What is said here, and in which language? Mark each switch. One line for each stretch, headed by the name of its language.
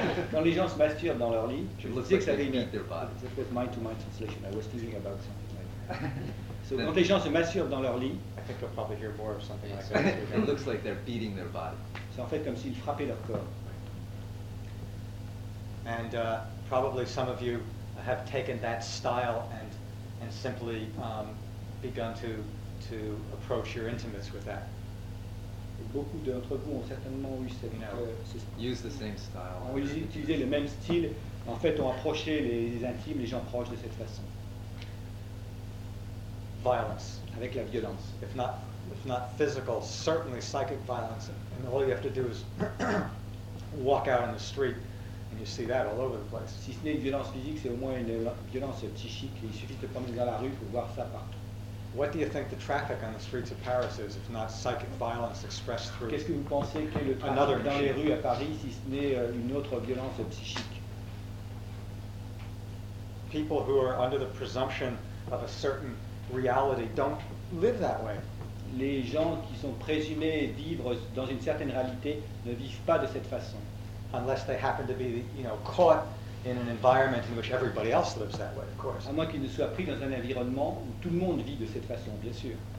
French: Quand les gens se masturbent dans leur lit, je disais que ça avait
English: mis their body. That was mind-to-mind translation. I was thinking about something like that. So then,
French: quand les gens se masturbent dans leur lit,
English: I think they'll probably hear more of something like that. It looks like they're beating their body.
French: C'est en fait comme s'ils frappaient leur corps.
English: And probably some of you have taken that style and simply begun to approach your intimates with that.
French: Beaucoup d'entre vous ont certainement eu cette,
English: use the same style.
French: Ont utilisé le même style. En fait, ont approché les intimes, les gens proches de cette façon.
English: Violence.
French: Avec la violence.
English: If not physical, certainly psychic violence. And all you have to do is walk out on the street and you see that all over the place.
French: Si ce n'est une violence physique, c'est au moins une violence psychique. Il suffit de promener dans la rue pour voir ça partout.
English: What do you think the traffic on the streets of Paris is, if not psychic violence expressed through?
French: Qu'est-ce que vous pensez que le trafic dans les rues à Paris, si ce n'est une autre violence psychique?
English: People who are under the presumption of a certain reality don't live that way.
French: Les gens qui sont présumés vivre dans une certaine réalité ne vivent pas de cette façon.
English: Unless they happen to be, caught in an environment in which everybody else lives that way, of course.
French: À moins qu'il ne soit pris dans un environnement où tout le monde vit de cette façon, bien sûr.